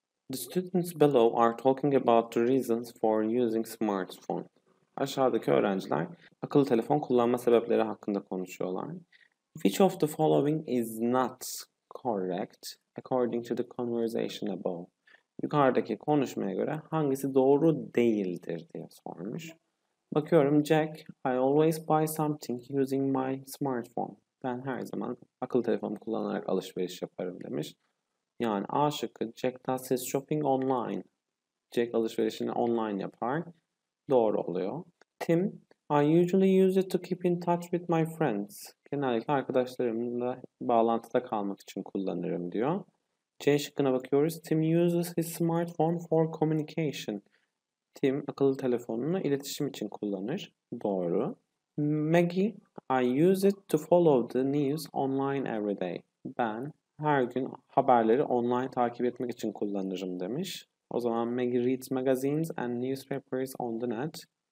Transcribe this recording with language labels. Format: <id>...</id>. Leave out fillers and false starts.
<en>The students below are talking about the reasons for using smartphone.</en> <tr>Aşağıdaki öğrenciler akıllı telefon kullanma sebepleri hakkında konuşuyorlar.</tr> <en>Which of the following is not correct according to the conversation above?</en> <tr>Yukarıdaki konuşmaya göre hangisi doğru değildir diye sormuş. Bakıyorum</tr> <en>Jack, I always buy something using my smartphone.</en> <tr>Ben her zaman akıllı telefonumu kullanarak alışveriş yaparım demiş. Yani A şıkkı</tr> <en>Jack does his shopping online.</en> <tr>Jack alışverişini online yapar. Doğru oluyor.</tr> <en>Tim, I usually use it to keep in touch with my friends.</en> <tr>Genellikle arkadaşlarımla bağlantıda kalmak için kullanırım diyor. C şıkkına bakıyoruz.</tr> <en>Tim uses his smartphone for communication.</en> <tr>Tim akıllı telefonunu iletişim için kullanır. Doğru.</tr> <en>Maggie, I use it to follow the news online every day.</en> <tr>Ben her gün haberleri online takip etmek için kullanırım demiş. O zaman</tr> <en>Maggie reads magazines and newspapers on the net.</en>